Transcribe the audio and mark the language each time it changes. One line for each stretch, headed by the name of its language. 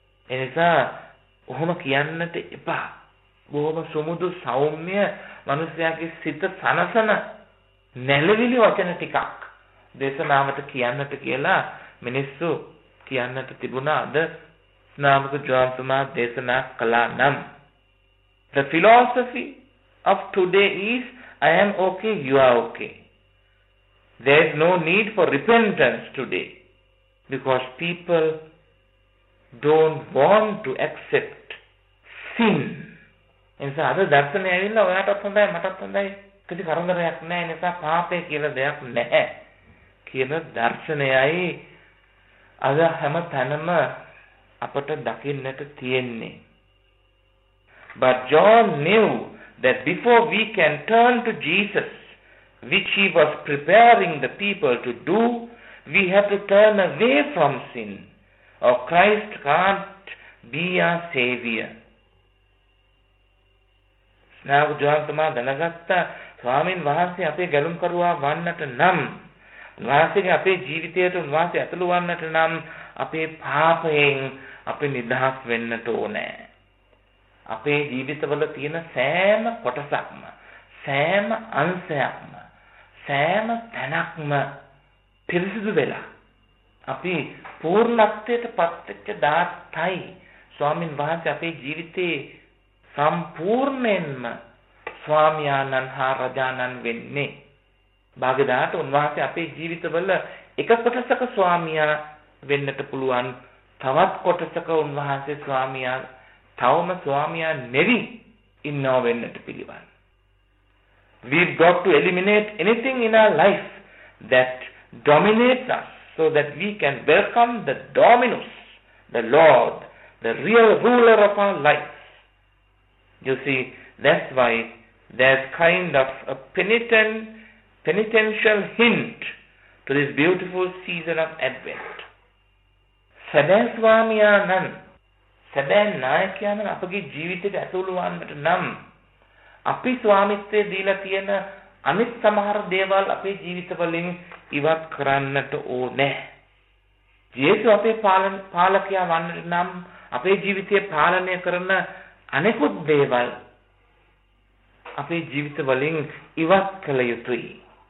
Sinhala: ඒ නිසා ඔහොම කියන්නට එපා. බොහොම සුමුදු සෞම්‍ය මිනිසයාගේ සිත සනසන නැළවිලි වචන ටිකක් දේශනාවට කියන්නට කියලා මිනිස්සු කියන්නට තිබුණා අද ස්නාමක ජෝන්තුමා දේශනා කළා නම්.
English: The philosophy of today is I am okay, you are okay. There is no need for repentance today because people don't want to accept sin.
Sinhala: එනිසා අද දර්ශනය ඇවිල්ලා ඔයාටත් හොඳයි මටත් හොඳයි කිසි කරදරයක් නැහැ, නිසා පාපය කියලා දෙයක් නැහැ කියන දර්ශනයයි අද හැම තැනම අපට දකින්නට තියෙන්නේ.
English: But John knew that before we can turn to Jesus, which he was preparing the people to do, we have to turn away from sin, or Christ can't be our Savior.
Sinhala: ස්නාග ජෝන්තුමා දැනගත්තා ස්වාමීන් වහන්සේ අපේ ගැලුම්කරුවා වන්නට නම්, වහන්සේගේ අපේ ජීවිතයට උන්වහන්සේ ඇතුළු වන්නට නම් අපේ පාපයෙන් අපි නිදහස් වෙන්නට ඕනෑ. අපේ ජීවිතවල තියෙන සෑම කොටසක්ම, සෑම අංශයක්ම, සෑම තැනක්ම පිරිසිදු වෙලා අපි පූර්ණත්වයට පත්වෙච්ච දාතයි ස්වාමින් වහන්සේ අපේ ජීවිතේ සම්පූර්ණයෙන්ම ස්වාමියාණන් හා රජාණන් වෙන්නේ. භාග්‍යදාත උන්වහන්සේ අපේ ජීවිතවල එක කොටසක ස්වාමියා වෙන්නට පුළුවන්, තවත් කොටසක උන්වහන්සේ ස්වාමියා තවම ස්වාමියා නෙවි ඉන්නව වෙන්නට පිළිවන්.
English: We've got to eliminate anything in our life that dominates us so that we can welcome the Dominus, the Lord, the real ruler of our life. You see, that's why there's kind of a penitential hint to this beautiful season of Advent.
Sinhala: Sadan Swamiya Nan, සැබෑ නායකයාණන් අපගේ ජීවිතයට ඇතුළු වන්නට නම් අපි ස්වාමිත්වයේ දීලා තියෙන අනිත් සමහර දේවල් අපේ ජීවිතවලින් ඉවත් කරන්නට ඕනේ. ජේසු අපේ පාලකයා වන්නට නම් අපේ ජීවිතය පාලනය කරන අනෙකුත් දේවල් අපේ ජීවිතවලින් ඉවත් කළ යුතුයි.